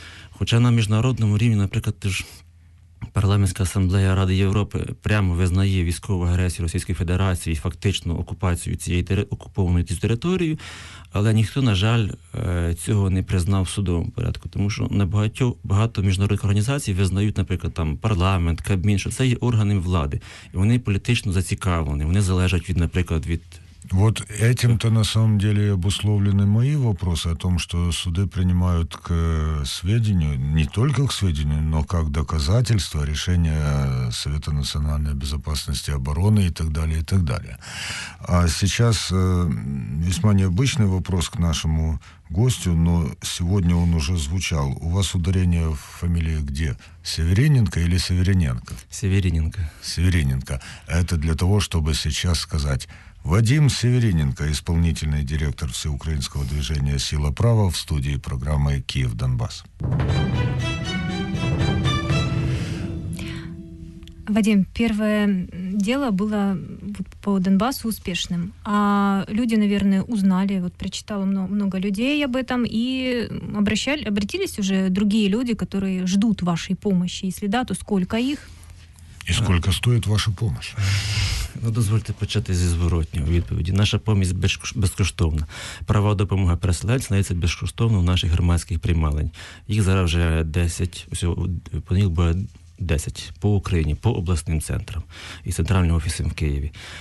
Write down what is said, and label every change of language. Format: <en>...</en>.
<uk>Хоча на міжнародному рівні, наприклад, теж Парламентська асамблея Ради Європи прямо визнає військову агресію Російської Федерації і фактично окупацію цієї окупованої території, але ніхто, на жаль, цього не признав в судовому порядку, тому що багато міжнародних організацій визнають, наприклад, там парламент, Кабмін, що це є органи влади, і вони політично зацікавлені, вони залежать від, наприклад, від...</uk> <ru>Вот этим-то на самом деле обусловлены мои вопросы о том, что суды принимают к сведению, не только к сведению, но как доказательство решения Совета национальной безопасности и обороны и так далее, и так далее. А сейчас весьма необычный вопрос к нашему гостю, но сегодня он уже звучал. У вас ударение в фамилии где? Севериненко или Севериненко? Севериненко. Севериненко. Это для того, чтобы сейчас сказать... Вадим Севериненко, исполнительный директор Всеукраинского движения «Сила права» в студии программы «Киев-Донбасс». Вадим, первое дело было вот по Донбассу успешным. А люди, наверное, узнали, вот прочитало много людей об этом, и обратились уже другие люди, которые ждут вашей помощи. Если да, то сколько их? И сколько стоит ваша помощь?</ru> <uk>Ну, дозвольте почати зі зворотньої відповіді. Наша помощь безкоштовна. Права допомога переселенцям надається безкоштовно в наших громадських приймалень. Їх зараз вже 10, по них буде 10 по Україні, по обласним центрам і центральним офісам в Києві.</uk>